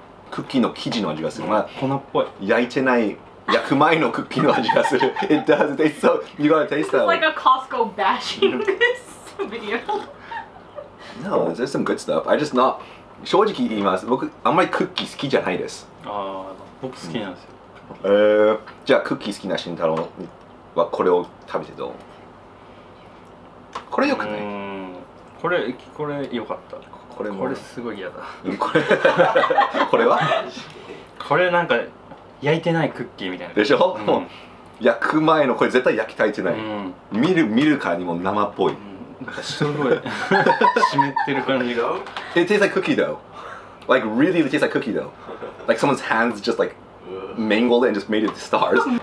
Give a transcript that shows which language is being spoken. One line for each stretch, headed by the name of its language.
Japanese: クッキーの生地の味がする。まあ、粉っぽい。焼いてない、焼く前のクッキーの味がする。
English: It does taste so, you gotta taste that. It's like a Costco bashing this video. No, there's some good stuff. I just not
Japanese: 正直言います、僕あんまりクッキー好きじゃないです。あ、僕好きなんですよ。うん、じゃあクッキー好きな慎太郎はこれを食べてどう？これよくない？これ良かった。これすごい嫌だ。これはこれなんか焼いてないクッキーみたいな。でしょ、うん、もう焼く前のこれ絶対焼きたいってない、うん、見るからにも生っぽい、うん、すごい湿ってる感じが。
English: It tastes like cookie though. Like really tastes like cookie though. Like someone's hands just like mangled it and just made it stars.